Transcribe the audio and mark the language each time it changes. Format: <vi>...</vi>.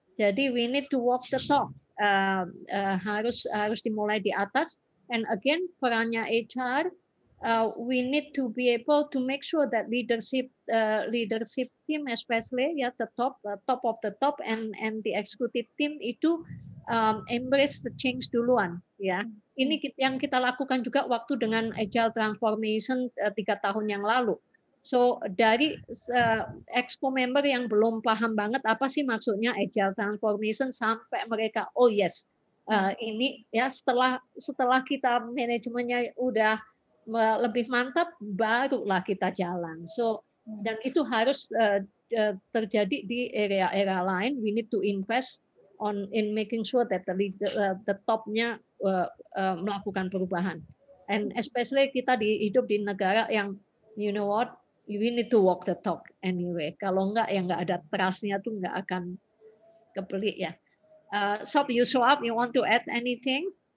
<en>Jadi we need to walk the talk.</en> <id>Harus dimulai di atas.</id> <en>And again, perannya HR, we need to be able to make sure that leadership team, especially ya yeah, the top of the top and the executive team itu embrace the change duluan ya. Yeah.</en> <id>Ini yang kita lakukan juga waktu dengan Agile Transformation 3 tahun yang lalu. So dari exco member yang belum paham banget apa sih maksudnya Agile Transformation sampai mereka</id> <en>oh yes</en> <id>ini ya setelah kita manajemennya udah lebih mantap barulah kita jalan. So dan itu harus terjadi di area-area lain.</id> <en>We need to invest in making sure that the top-nya melakukan perubahan. And especially</en> <id>kita hidup di negara yang</id> <en>you know what, we need to walk the talk anyway.</en> <id>Kalau enggak ya enggak ada trust-nya tuh enggak akan kebeli ya.</id> <en>Sob, you show up, you want to add anything?</en>